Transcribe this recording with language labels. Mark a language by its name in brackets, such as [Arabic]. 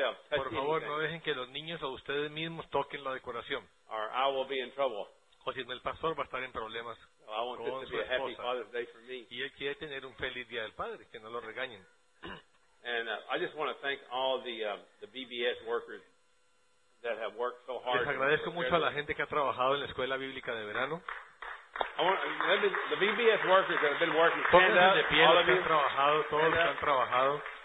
[Spanish] Por favor, no dejen que los niños o ustedes mismos toquen la decoración. [English] Or I will be in trouble. [Spanish] O si no, el pastor va a estar en problemas con su esposa. Y él quiere tener un feliz Día del Padre, que no lo regañen. [English] And I just want to thank all the VBS workers that have worked so hard. [Spanish] Les agradezco mucho a la gente que ha trabajado en la escuela bíblica de verano. [English] The VBS workers that have been working, stand up, all of you. [Spanish] Todos los que han trabajado, todos los que han trabajado.